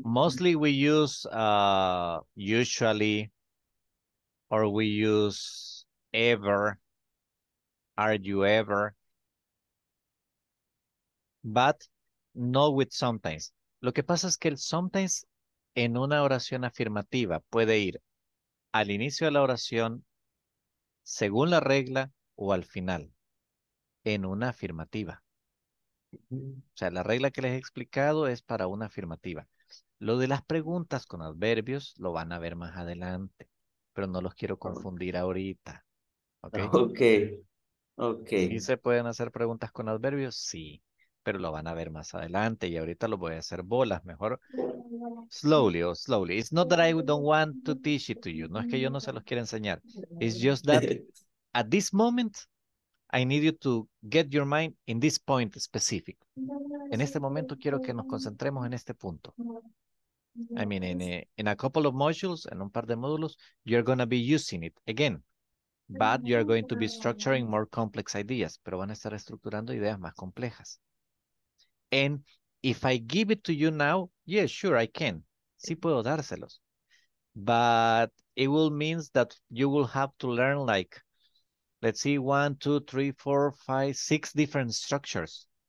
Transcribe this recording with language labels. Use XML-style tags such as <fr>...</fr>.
<en>Mostly we use usually, or we use ever, are you ever, but not with sometimes.</en> <es>Lo que pasa es que el sometimes en una oración afirmativa puede ir al inicio de la oración, según la regla, o al final, en una afirmativa. O sea, la regla que les he explicado es para una afirmativa. Lo de las preguntas con adverbios lo van a ver más adelante, pero no los quiero confundir ahorita.</es> <en>¿Okay? Okay.</en> <es>¿Sí se pueden hacer preguntas con adverbios? Sí. pero lo van a ver más adelante y ahorita lo voy a hacer bolas, mejor slowly o slowly.</es> <en>It's not that I don't want to teach it to you.</en> <es>No es que yo no se los quiera enseñar.</es> <en>It's just that at this moment, I need you to get your mind in this point specific.</en> <es>En este momento quiero que nos concentremos en este punto.</es> <en>I mean, in a couple of modules,</en> <es>en un par de módulos,</es> <en>you're going to be using it again. But you're going to be structuring more complex ideas.</en> <es>Pero van a estar estructurando ideas más complejas.</es> <en>And if I give it to you now, yeah, sure, I can.</en> <es>Sí puedo dárselos.</es> <en>But it will mean that you will have to learn like, let's see, 1, 2, 3, 4, 5, 6 different structures.</en>